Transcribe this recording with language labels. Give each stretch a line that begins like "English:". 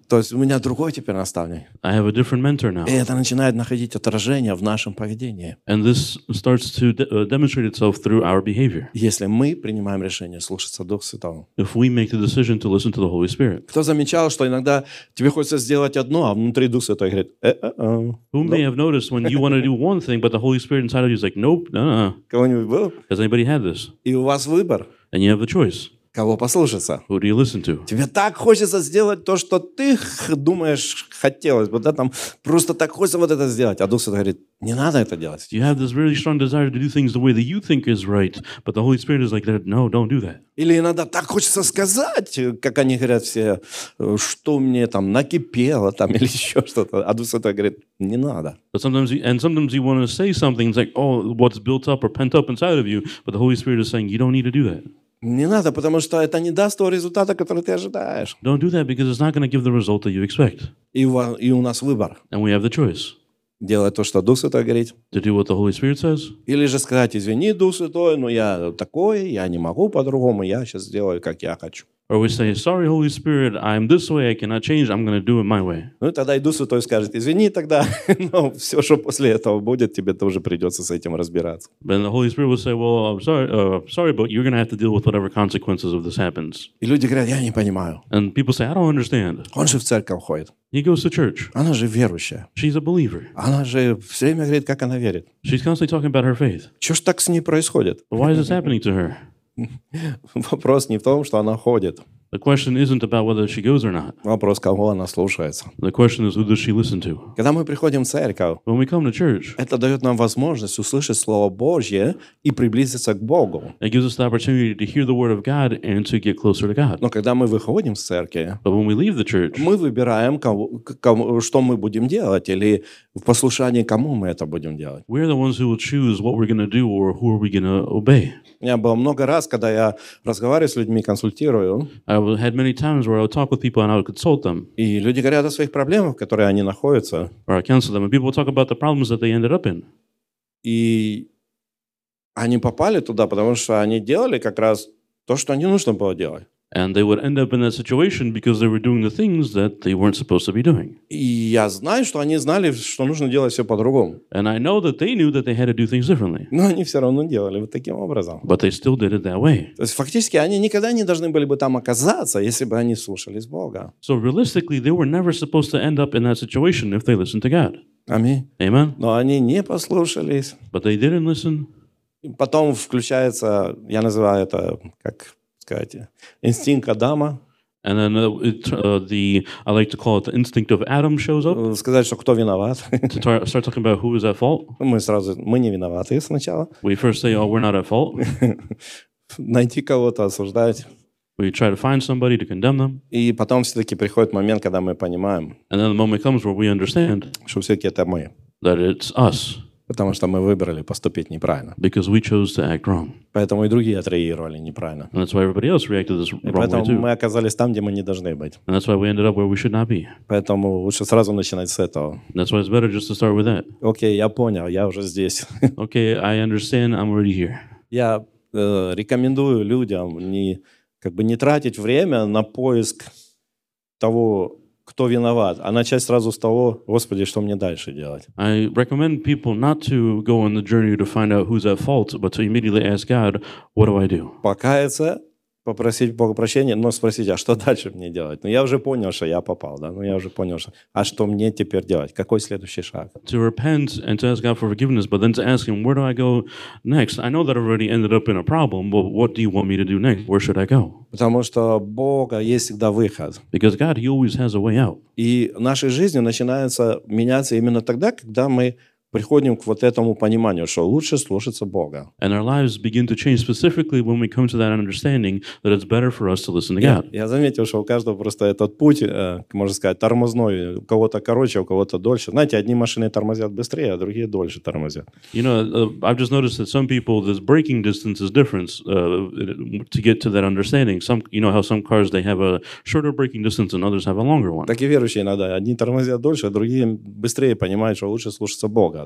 Russian: То есть у меня другой теперь наставник.
English: I have a different mentor now.
Russian: И это начинает находить отражение в нашем поведении.
English: And this starts to demonstrate itself through our behavior.
Russian: Если мы принимаем решение слушаться Духа Святого.
English: If we make the decision to listen to the Holy Spirit.
Russian: Кто замечал, что иногда тебе хочется сделать одно, а внутри Дух Святой говорит,
English: Who may have noticed when you want to do one thing, but the Holy Spirit inside of you is like, nope,
Russian: Кого-нибудь был?
English: Has anybody had this?
Russian: И у вас выбор.
English: And you have the choice.
Russian: Кого послушаться?
English: Who do you listen to?
Russian: Тебе так хочется сделать то, что ты думаешь хотелось бы, да, там просто так хочется вот это сделать, а Дух Святой говорит, не надо это делать.
English: You have this really strong desire to do things the way that you think is right, but the Holy Spirit is like, no, don't do that.
Russian: Или иногда так хочется сказать, как они говорят все, что мне там накипело там или еще что-то, а Дух Святой говорит, не надо.
English: But sometimes you want to say something, it's like, oh, what's built up or pent up inside of you, but the Holy Spirit is saying, you don't need to do that.
Russian: Не надо, потому что это не даст того результата, который ты ожидаешь.
English: Don't do that because it's not going to give the result that you expect.
Russian: И у нас выбор.
English: And we have the choice.
Russian: Делать то, что Дух Святой говорит.
English: To do what the Holy Spirit says.
Russian: Или же сказать, извини, Дух Святой, но я такой, я не могу по-другому, я сейчас сделаю, как я хочу.
English: Or we say, sorry, Holy Spirit, I'm this way, I cannot change, I'm going to do it my way.
Russian: Ну, тогда и Дух Святой скажет, извини тогда, но все, что после этого будет, тебе тоже придется с этим разбираться.
English: Then the Holy Spirit will say, well, I'm sorry, but you're going to have to deal with whatever consequences of this happens.
Russian: И люди говорят, я не понимаю.
English: And people say, I don't understand.
Russian: Он же в церковь ходит.
English: He goes to church.
Russian: Она же верующая.
English: She's a believer.
Russian: Она же все время говорит, как она верит.
English: She's constantly talking about her faith.
Russian: Чего ж так с ней происходит?
English: But why is this happening to her?
Russian: Вопрос не в том, что она ходит.
English: The question isn't about whether she goes or not.
Russian: Вопрос, кого она слушается.
English: The question is, who does she listen to?
Russian: Когда мы приходим в церковь,
English: when we come to church,
Russian: это дает нам возможность услышать Слово Божье и приблизиться к Богу.
English: It gives us the opportunity to hear the Word of God and to get closer to God.
Russian: Но когда мы выходим из церкви,
English: but when we leave the church,
Russian: мы выбираем, что мы будем делать, или в послушании, кому мы это будем делать.
English: We are the ones who will choose what we're going to do or who are we going to obey.
Russian: Я был много раз, когда я разговариваю с людьми, консультирую.
English: I had many times where I would talk with people and I would consult them.
Russian: И люди говорят о своих проблемах, в которых они находятся.
English: Or I counsel them. And people talk about the problems that they ended up in.
Russian: И они попали туда, потому что они делали как раз то, что не нужно было делать.
English: And they would end up in that situation because they were doing the things that they weren't supposed to be doing.
Russian: И я знаю, что они знали, что нужно делать все по-другому.
English: And I know that they knew that they had to do things differently.
Russian: Но они все равно делали вот таким образом.
English: But they still did it that way.
Russian: То есть фактически они никогда не должны были бы там оказаться, если бы они слушались Бога.
English: So realistically, they were never supposed to end up in that situation if they listened to God.
Russian: Аминь.
English: Amen.
Russian: Но они не послушались.
English: But they didn't listen.
Russian: И потом включается, я называю это как... инстинкт Адама.
English: And then I like to call it the instinct of Adam shows up.
Russian: Сказать, что кто виноват.
English: To start talking about who is at fault.
Russian: Мы не виноваты сначала.
English: We first say, oh, we're not at fault.
Russian: Найти кого-то осуждать.
English: We try to find somebody to condemn them.
Russian: И потом все-таки приходит момент, когда мы понимаем.
English: And then the moment comes where we understand.
Russian: Что все-таки это мы.
English: That it's us.
Russian: Потому что мы выбрали поступить неправильно.
English: Because we chose to act wrong.
Russian: Поэтому и другие отреагировали неправильно.
English: And that's why everybody else reacted this wrong way too.
Russian: И поэтому мы оказались там, где мы не должны быть.
English: And that's why we ended up where we should not be.
Russian: Поэтому лучше сразу начинать с этого.
English: And that's why it's better just to start with that.
Russian: Окей, я понял, я уже здесь.
English: Okay, I understand, I'm already here.
Russian: Я рекомендую людям не тратить время на поиск того, кто виноват, а начать сразу с того, Господи, что мне дальше делать?
English: I recommend people not to go on the journey to find out who's at fault, but to immediately ask God, what do I do?
Russian: Покаяться, попросить Бога прощения, но спросить, а что дальше мне делать? Ну, я уже понял, что я попал, да? Ну, я уже понял, что... А что мне теперь делать? Какой следующий шаг?
English: To repent and to ask God for forgiveness, but then to ask Him, where do I go next? I know that I've already ended up in a problem, but what do you want me to do next? Where should I go?
Russian: Потому что Бога есть всегда выход.
English: Because God, He always has a way out.
Russian: И наша жизнь начинается меняться именно тогда, когда мы... приходим к вот этому пониманию, что лучше слушаться Бога.
English: And our lives begin to change specifically when we come to that understanding that it's better for us to listen to God.
Russian: Я заметил, что у каждого просто этот путь, можно сказать, тормозной. У кого-то короче, у кого-то дольше. Знаете, одни машины тормозят быстрее, а другие дольше тормозят.
English: You know, I've just noticed that some people, this braking distance is different to get to that understanding. Some, you know, how some cars, they have a shorter braking distance and others have a longer one.
Russian: Так и верующие иногда. Одни тормозят дольше, а другие быстрее понимают, что лучше слушаться Бога.